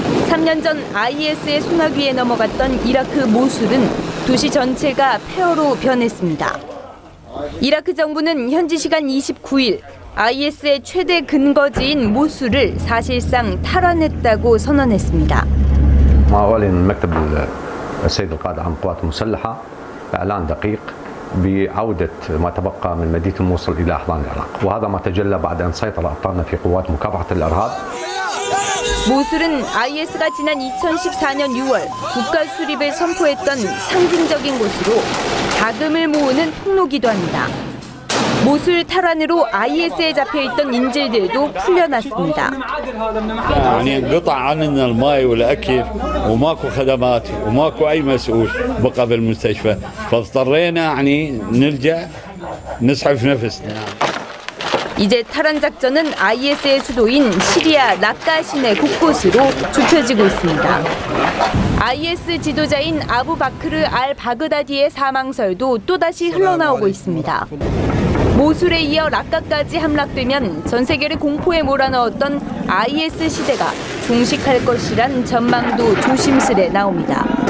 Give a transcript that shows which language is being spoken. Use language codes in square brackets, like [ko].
[ko] 3년 전 IS의 소나귀에 넘어갔던 이라크 모술은 도시 전체가 폐허로 변했습니다. 이라크 정부는 현지 시간 29일 IS의 최대 근거지인 모술을 사실상 탈환했다고 선언했습니다. [ar] بعودة ما تبقى من مدينة موصل إلى أحضان العراق وهذا ما تجلى بعد أن سيطر أبطالنا في قوات مكافحة الإرهاب [ko] 모술은 IS가 지난 2014년 6월 국가 수립을 선포했던 상징적인 곳으로 자금을 모으는 통로기도 합니다. 모술 탈환으로 IS에 잡혀 있던 인질들도 풀려났습니다. [ar] يعني انقطع عننا الماء والاكل وماكو خدمات وماكو اي مسؤول بقى بالمستشفى فاضطرينا يعني نلجا نسحب نفسنا. [ko] 이제 탈환 작전은 IS의 수도인 시리아 라카 시내 곳곳으로 좁혀지고 있습니다. IS 지도자인 아부바크르 알 바그다디의 사망설도 또다시 흘러나오고 있습니다. 모술에 이어 라카까지 함락되면 전 세계를 공포에 몰아넣었던 IS 시대가 종식할 것이란 전망도 조심스레 나옵니다.